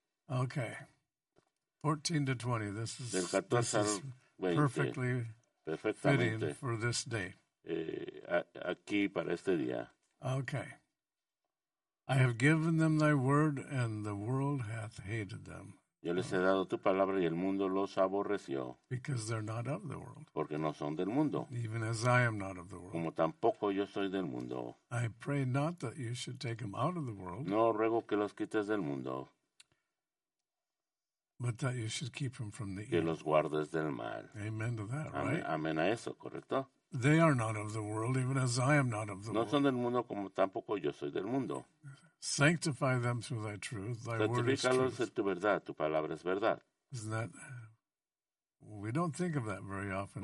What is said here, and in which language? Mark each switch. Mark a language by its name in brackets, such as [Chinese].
[English] Okay. 14 to 20. This is, [Spanish] del 14 [English] this is [Spanish] al 20, [English] perfectly fitting for this day. [Spanish] Aquí para este día. [English] Okay. I have given them thy word, and the world hath hated them. [Spanish] Yo les he dado tu palabra y el mundo los aborreció. [English] Because they're not of the world. [Spanish] Porque no son del mundo. [English] Even as I am not of the world. [Spanish] Como tampoco yo soy del mundo. [English] I pray not that you should take them out of the world. [Spanish] No ruego que los quites del mundo. [English] But that you should keep them from the evil. [Spanish] Que los guardes del mal. [English] Amen to that, right? [Spanish] Amen a eso, ¿correcto? [English] They are not of the world, even as I am not of the world. [Spanish] No son del mundo como tampoco yo soy del mundo. [English] Sanctify them through thy truth, thy word is truth. [Spanish] Santificalos en tu verdad, tu palabra es verdad. [English] Isn't that, we don't think of that very often,